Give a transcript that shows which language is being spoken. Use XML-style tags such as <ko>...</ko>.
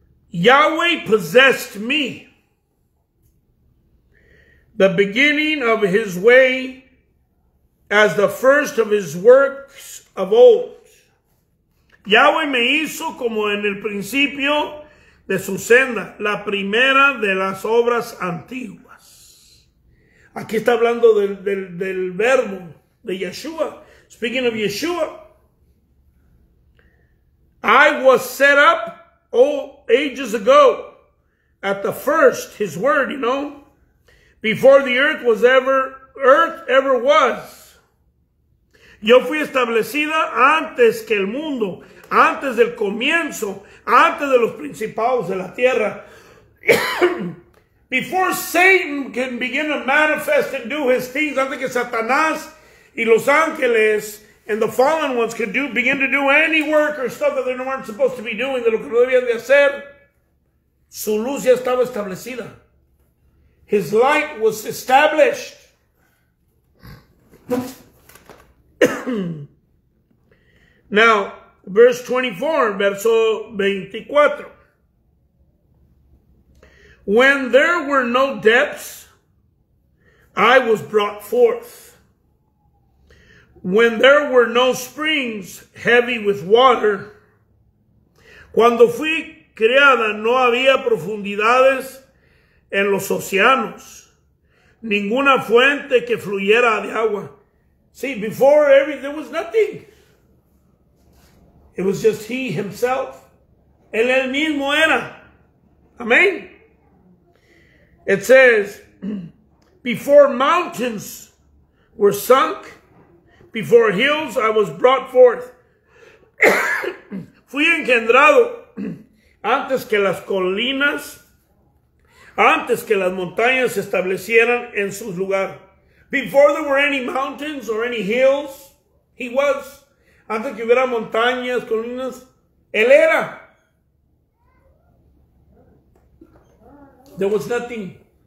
<en>Yahweh possessed me. The beginning of his way as the first of his works of old.</en> <es>Yahweh me hizo como en el principio de su senda, la primera de las obras antiguas. Aquí está hablando del verbo. De Yeshua.</es> <en>Speaking of Yeshua, I was set up ages ago at the first, his word, you know, before the earth ever was.</en> <es>Yo fui establecida antes que el mundo, antes del comienzo, antes de los principados de la tierra.</es> <en>Before Satan can begin to manifest and do his things,</en> <es>antes que Satanás y los ángeles</es> <en>and the fallen ones could begin to do any work or stuff that they weren't supposed to be doing,</en> <es>de lo que no debían de hacer, su luz ya estaba establecida.</es> <en>His light was established. Now, verse 24,</en> <es>verso 24.</es> <en>When there were no depths, I was brought forth. When there were no springs heavy with water.</en> <es>Cuando fui creada, no había profundidades en los océanos. Ninguna fuente que fluyera de agua.</es> <en>See, before everything, there was nothing. It was just he himself.</en> <es>Él mismo era.</es> <en>Amen. It says, before mountains were sunk, before hills, I was brought forth.</en> <es>Fui engendrado antes que las colinas, antes que las montañas se establecieran en su lugar.</es> <en>Before there were any mountains or any hills, he was.</en> <es>Antes que hubiera montañas, colinas, él era.</es> <en>There was nothing.</en>